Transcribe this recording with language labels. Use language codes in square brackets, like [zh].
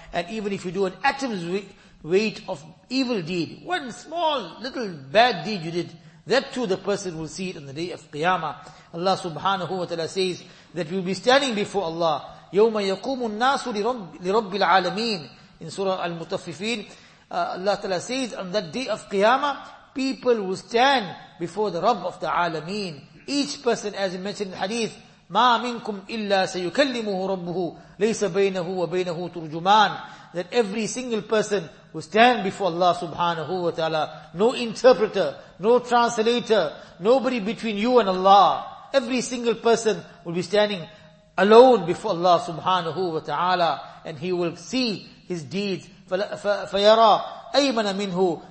[en] And even if you do an atom's weight of evil deed, one small little bad deed you did, that too the person will see it on the day of Qiyamah. Allah subhanahu wa ta'ala says that we will be standing before Allah. [ar] يَوْمَ يَقُومُ النَّاسُ لِرَبِّ الْعَالَمِينَ. [en] In Surah Al-Mutaffifin, Allah Ta'ala says, on that day of Qiyamah, people will stand before the Rabb of the Alameen. Each person, as he mentioned in the Hadith, [ar] مَا مِنْكُمْ إِلَّا سَيُكَلِّمُهُ رَبُّهُ لَيْسَ بَيْنَهُ وَبَيْنَهُ تُرْجُمَانَ. [en] That every single person will stand before Allah subhanahu wa ta'ala. No interpreter, no translator, nobody between you and Allah. Every single person will be standing alone before Allah subhanahu wa ta'ala, and he will see his deeds. [ar] فَيَرَى أَيْمَنَ مِنْهُ.